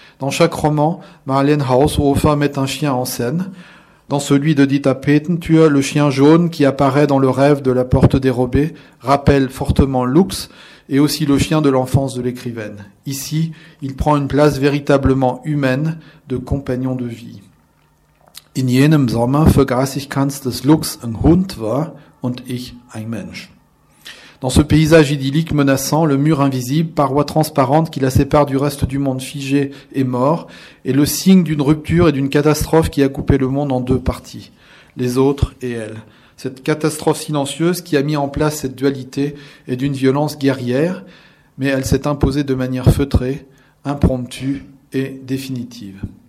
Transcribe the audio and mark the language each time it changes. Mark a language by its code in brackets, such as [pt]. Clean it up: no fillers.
[fr] Dans chaque roman, Marlene Haushofer met un chien en scène. Dans celui de Dita Payton, Tua, le chien jaune qui apparaît dans le rêve de la porte dérobée, rappelle fortement Lux et aussi le chien de l'enfance de l'écrivaine. Ici, il prend une place véritablement humaine de compagnon de vie. [de] In jenem Sommer vergaß ich ganz, dass Lux ein Hund war und ich ein Mensch. [fr] Dans ce paysage idyllique menaçant, le mur invisible, paroi transparente qui la sépare du reste du monde figé et mort, est le signe d'une rupture et d'une catastrophe qui a coupé le monde en deux parties, les autres et elle. Cette catastrophe silencieuse qui a mis en place cette dualité est d'une violence guerrière, mais elle s'est imposée de manière feutrée, impromptue et définitive.